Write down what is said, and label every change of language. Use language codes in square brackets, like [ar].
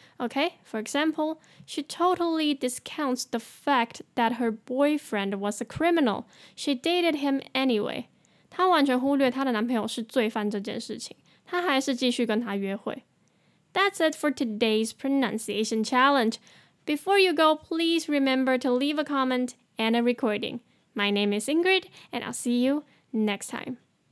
[en] OK, for example, she totally discounts the fact that her boyfriend was a criminal. She dated him anyway. [zh] 她完全忽略她的男朋友是罪犯这件事情，她还是继续跟他约会。 [en] That's it for today's pronunciation challenge. Before you go, please remember to leave a comment and a recording. My name is Ingrid, and I'll see you next time.